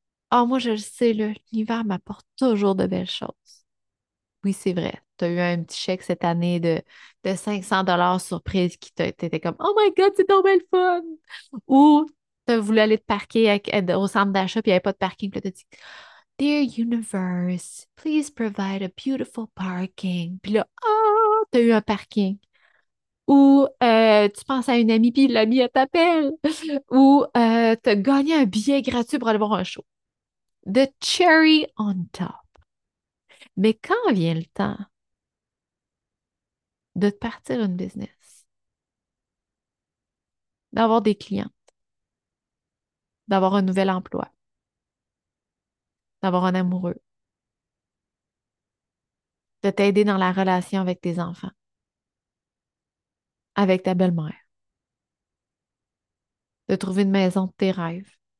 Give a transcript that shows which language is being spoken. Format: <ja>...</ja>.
<fr>Ah, oh, moi, je le sais, l'univers m'apporte toujours de belles choses. Oui, c'est vrai. Tu as eu un petit chèque cette année de 500 $ surprise qui t'était comme</fr> <en>oh my God,</en> <fr>c'est donc belle fun! Ou tu as voulu aller te parquer au centre d'achat puis il n'y avait pas de parking. Puis tu as dit</fr> <en>Dear Universe, please provide a beautiful parking.</en> <fr>Puis là, oh, tu as eu un parking. Ou tu penses à une amie, puis l'amie, elle t'appelle. Ou tu as gagné un billet gratuit pour aller voir un show.</fr> <en>The cherry on top.</en> <fr>Mais quand vient le temps de te partir une business, d'avoir des clients, d'avoir un nouvel emploi, d'avoir un amoureux, de t'aider dans la relation avec tes enfants, avec ta belle-mère, de trouver une maison de tes rêves.</fr>